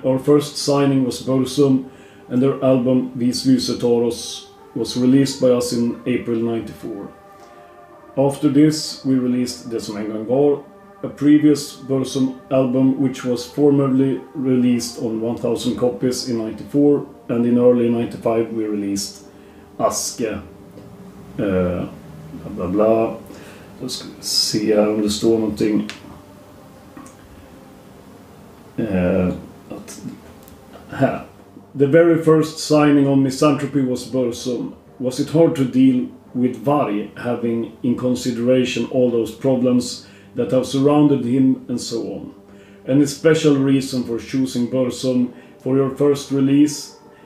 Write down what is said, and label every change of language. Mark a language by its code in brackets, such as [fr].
[en] Our first signing was Börsum and their album Vis Lysetaros was released by us in April 94. After this we released Det som en gång var, a previous Börsum album which was formerly released on 1000 copies in 94, and in early 95 we released Aske. Bla bla bla. [sv] Då ska vi se här om det står någonting. [en] The very first signing on Misanthropy was Börsum. Was it hard to deal with Varg having in consideration all those problems that have surrounded him and so on? Any special reason for choosing Börsum for your first release?